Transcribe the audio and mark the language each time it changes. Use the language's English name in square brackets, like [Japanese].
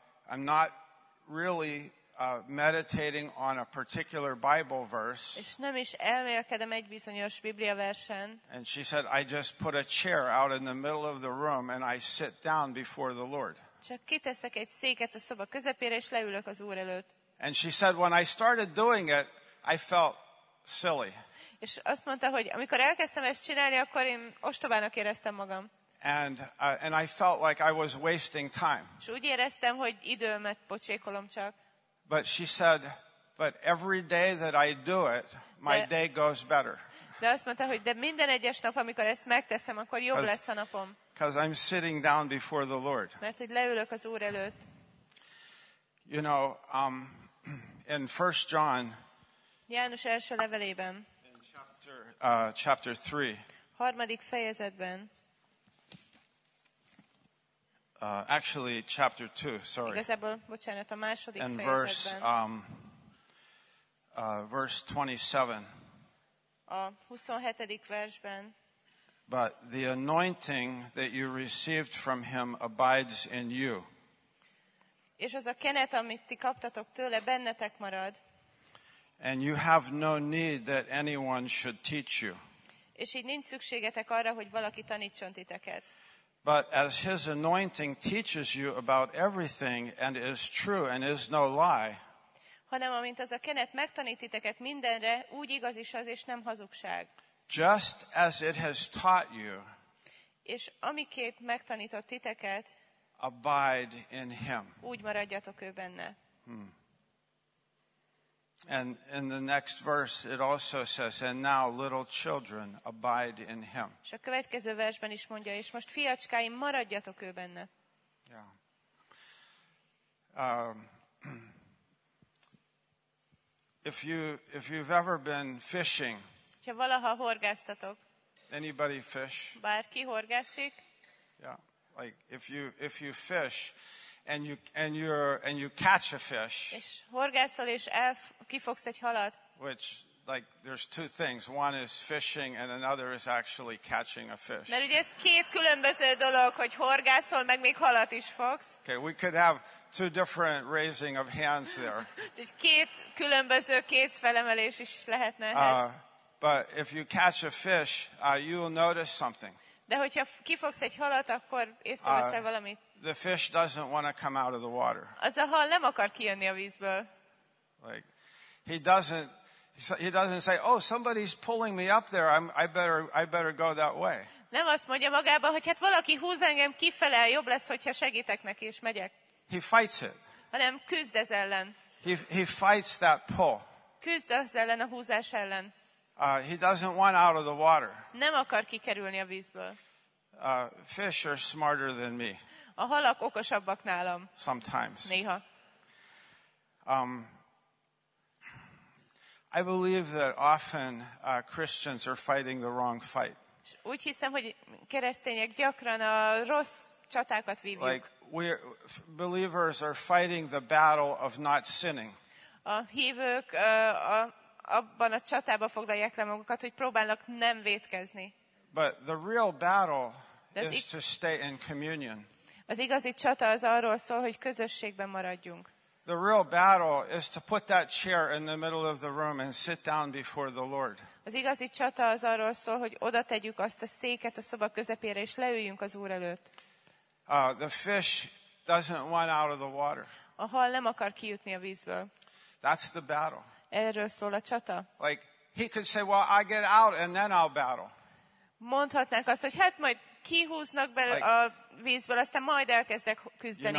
[English] I'm not really meditating on a particular Bible verse. [Hungarian] És nem is elmélkedem egy bizonyos Biblia versen. [English] And she said, I just put a chair out in the middle of the room and I sit down before the Lord. [Hungarian] Csak kiteszek egy széket a szoba közepére és leülök az Úr előtt. [English] And she said, when I started doing it, I felt silly. [Hungarian] És azt mondta, hogy amikor elkezdtem ezt csinálni, akkor én ostobának éreztem magam. [English] And I felt like I was wasting time. [Hungarian] És úgy éreztem, hogy időmet pocsékolom csak. [English] But she said, but every day that I do it, my day goes better. [Hungarian] De azt mondta, hogy de minden egyes nap, amikor ezt megteszem, akkor jobb lesz a napom. [English] Because I'm sitting down before the Lord. [Hungarian] Mert hogy leülök az Úr előtt. [English] You know, in 1 John. [Hungarian] János első levelében. [English] Chapter 3. [Hungarian] Harmadik fejezetben. [English] Actually, chapter 2, sorry. [Hungarian] Igazából, bocsánat, a második fejezetben. [English] And verse 27. [Hungarian] A 27. versben. [English] But the anointing that you received from him abides in you. [Hungarian] És az a kenet, amit ti kaptatok tőle, bennetek marad. [English] And you have no need that anyone should teach you. [Hungarian] És így nincs szükségetek arra, hogy valaki tanítson titeket. [English] But as his anointing teaches you about everything and is true and is no lie. [Hungarian] Hanem amint az a kenet megtanít titeket mindenre, úgy igaz is az, és nem hazugság. [English] Just as it has taught you. [Hungarian] És amiképp megtanított titeket. [English] Abide in him. [Hungarian] Úgy maradjatok ő benne. [English] And in the next verse it also says, and now little children abide in him. [Hungarian] És a következő versben is mondja, és most fiacskáim maradjatok ő benne. [English] Yeah. If you've ever been fishing. [Hungarian] Ha valaha horgáztatok. [English] Anybody fish? [Hungarian] Bárki horgászik? [English] Yeah. Like if you fish and you catch a fish. [Hungarian] És horgászol és kifogsz egy halat. [English] Which, like, there's two things. One is fishing and another is actually catching a fish. [Hungarian] Mert ugye ez két különböző dolog, hogy horgászol, meg még halat is fogsz. [English] Okay, we could have two different raising of hands there. [Hungarian] Két különböző kézfelemelés is lehetne ez. [English] But if you catch a fish, you'll notice something. [Hungarian] De hogyha kifogsz egy halat, akkor észreveszel valamit. [English] The fish doesn't want to come out of the water. [Hungarian] Az a hal nem akar kijönni a vízből. [English] Like, he doesn't say, oh, somebody's pulling me up there. I better go that way. [Hungarian] Nem azt mondja magában, hogy hát valaki húz engem kifele, jobb lesz, hogyha segítek neki és megyek. [English] He fights it. [Hungarian] Hanem küzd ez ellen. [English] He fights that pull. [Hungarian] Küzd az ellen, a húzás ellen. [English] He doesn't want out of the water. [Hungarian] Nem akar kikerülni a vízből. [English] Fish are smarter than me. [Hungarian] A halak okosabbak nálam. [English] Sometimes. [Hungarian] Néha. [English] I believe that often Christians are fighting the wrong fight. [Hungarian] Úgy hiszem, hogy keresztények gyakran a rossz csatákat vívjuk. [English] Like we believers are fighting the battle of not sinning. [Hungarian] A hívők abban a csatában foglalják le magukat, hogy próbálnak nem vétkezni. [English] But the real battle is to stay in communion. [Hungarian] Az igazi csata az arról szól, hogy közösségben maradjunk. [English] The real battle is to put that chair in the middle of the room and sit down before the Lord. [Hungarian] Az igazi csata az arról szól, hogy oda tegyük azt a széket a szoba közepére és leüljünk az Úr előtt. [English] The fish doesn't want out of the water. [Hungarian] A hal nem akar kijutni a vízből. [English] That's the battle. [Hungarian] Erről szól a csata. [English] Like he could say, well, I get out and then I'll battle. [Hungarian] Mondhatnánk azt, hogy hát majd kihúznak be like, a vízből, aztán majd elkezdek küzdeni.